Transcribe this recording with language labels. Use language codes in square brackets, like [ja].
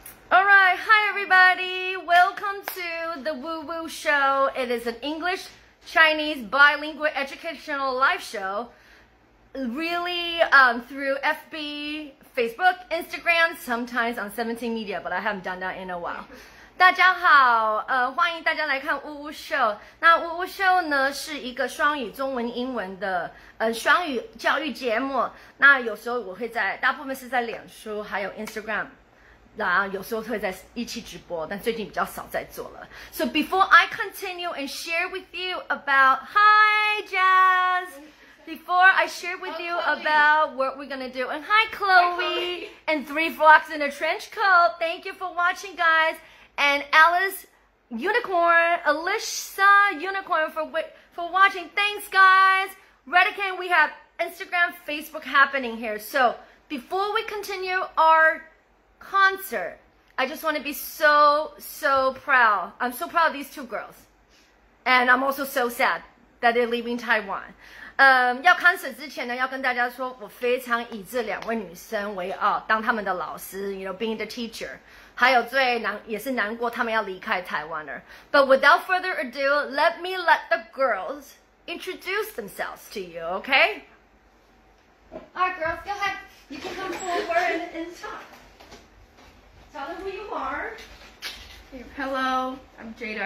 [en] All right, hi everybody. Welcome to the Woo Woo Show. It is an English Chinese bilingual educational live show. Really, through FB, Facebook, Instagram, sometimes on 17 Media, but I haven't done that in a while. [zh] 大家好，欢迎大家来看呜呜秀。那呜呜秀呢，是一个双语中文英文的双语教育节目。那有时候我会在，大部分是在脸书还有 Instagram， 然后有时候会在一起直播，但最近比较少在做了。 [en] So before I continue and share with you about Hi Jazz, before I share with you about what we're gonna do, and Hi Chloe and Three Vlogs in a Trench Coat. Thank you for watching, guys. And Alice Unicorn, Alicia Unicorn for watching. Thanks, guys. Redican, we have Instagram, Facebook happening here. So before we continue our concert, I just want to be so, so proud. I'm so proud of these two girls. And I'm also so sad that they're leaving Taiwan. [zh] 要 concert 之前呢，要跟大家说，我非常以这两位女生为傲，当她们的老师， [en] you know, being the teacher. [zh] 还有最难也是难过他们要离开台湾了。 [en] But without further ado, let me let the girls introduce themselves to you, okay? All right, girls, go ahead. You can come forward and talk. Tell them who you are. Hello, I'm Jada.